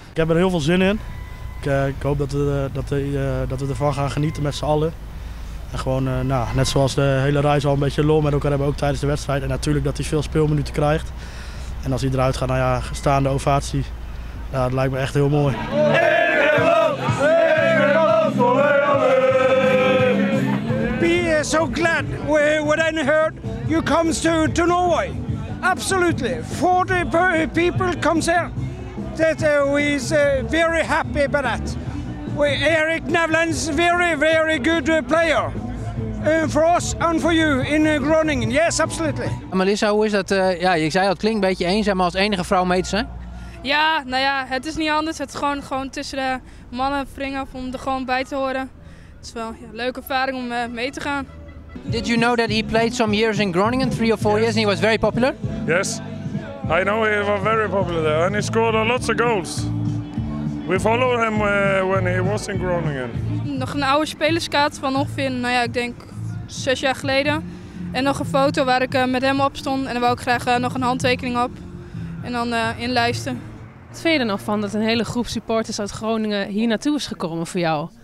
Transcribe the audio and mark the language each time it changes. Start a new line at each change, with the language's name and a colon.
Dutch: Ik heb er heel veel zin in. Ik hoop dat we ervan gaan genieten met z'n allen. En gewoon, nou, net zoals de hele reis al een beetje lol met elkaar hebben, ook tijdens de wedstrijd. En natuurlijk dat hij veel speelminuten krijgt. En als hij eruit gaat, nou ja, staande ovatie. Ja, dat lijkt me echt heel mooi.
English: Be so glad what I heard you come to Norway. Absolutely. 40 people come here. That we is very happy about that. Erik Nevland is very, very good player. For us and for you in Groningen. Yes, absolutely.
Dutch: Melissa, hoe is dat? Ja, je zei dat klinkt een beetje eenzaam als enige vrouw mee te zijn. Ja, nou ja, het is niet anders. Het is gewoon tussen de mannen wringen om er gewoon bij te horen. Het is wel een leuke ervaring om mee te gaan.
English: Did you know that he played some years in Groningen, 3 or 4 years, and he was very popular? Yes, I know he was very popular there and he scored lots of goals. We followed him when he was in Groningen.
Dutch: Nog een oude spelerskaart van ongeveer, nou ja, ik denk 6 jaar geleden. En nog een foto waar ik met hem op stond. En daar wou ik graag nog een handtekening op. En dan inlijsten. Wat vind je er nog van dat een hele groep supporters uit Groningen hier naartoe is gekomen voor jou?